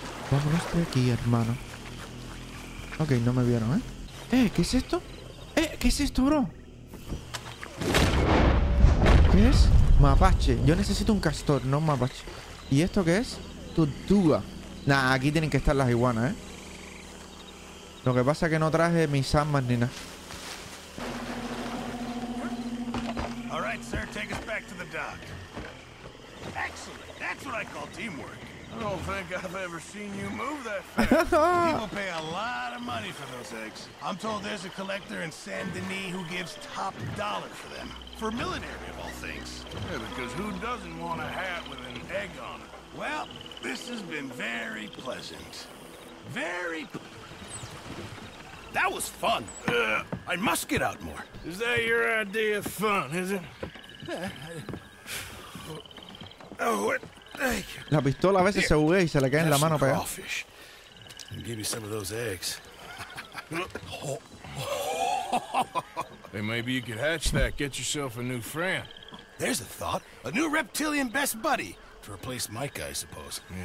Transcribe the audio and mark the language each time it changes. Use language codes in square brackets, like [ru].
[es] Vámonos de aquí, hermano. Ok, no me vieron, ¿eh? ¿Qué es esto? ¿Qué es esto, bro? ¿Qué es? Mapache. Yo necesito un castor, no un mapache. ¿Y esto qué es? Tortuga. Nah, aquí tienen que estar las iguanas, ¿eh? Lo que pasa es que no traje mis armas ni nada. [en] All right, sir, take us back to the dock. Excellent. That's what I call teamwork. I don't think I've ever seen you move that fast. People pay a lot of money for those eggs. I'm told there's a collector in Saint Denis who gives top dollar for them. For millinery, of all things. Yeah, because who doesn't want a hat with an egg on it? Well, this has been very pleasant. Very... That was fun. I must get out more. Is that your idea of fun, is it? Oh, what? [es] La pistola a veces se buguea y se le cae en la mano pegada. [en] Give me some of those eggs. Hey, maybe you could hatch that. Get yourself a new friend. There's a thought. A new reptilian best buddy. To replace Mike, I suppose.